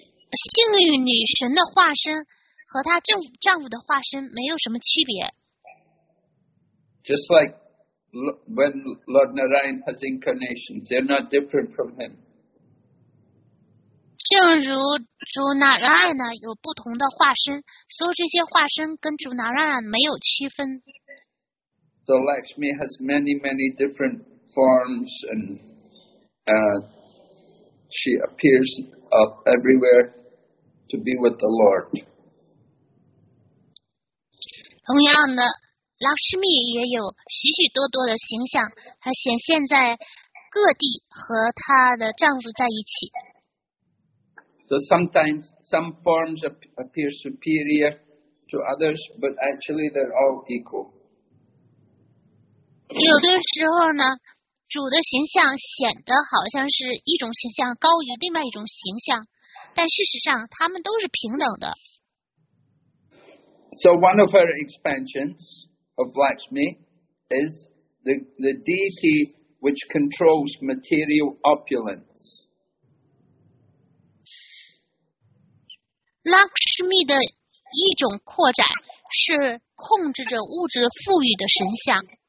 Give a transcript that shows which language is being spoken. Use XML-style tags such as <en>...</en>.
<zh>幸运女神的化身和她丈夫的化身没有什么区别。</zh> <en>Just like when Lord Narayan has incarnations, they're not different from him.</en> <zh>正如主纳拉亚呢有不同的化身，所有这些化身跟主纳拉亚没有区分。</zh> <en>So Lakshmi has many, many different forms, and she appears up everywhere to be with the Lord.</en> <zh>同样的 ，Lakshmi 也有许许多多的形象，她显现在各地和她的丈夫在一起。</zh> <en>So sometimes some forms appear superior to others, but actually they're all equal.</en> <zh>有的时候呢，主的形象显得好像是一种形象高于另外一种形象，但事实上他们都是平等的。</zh> <en>So one of her expansions of Lakshmi is the deity which controls material opulence.</en> <zh>Lakshmi 的一种扩展是控制着物质富裕的神像。</zh>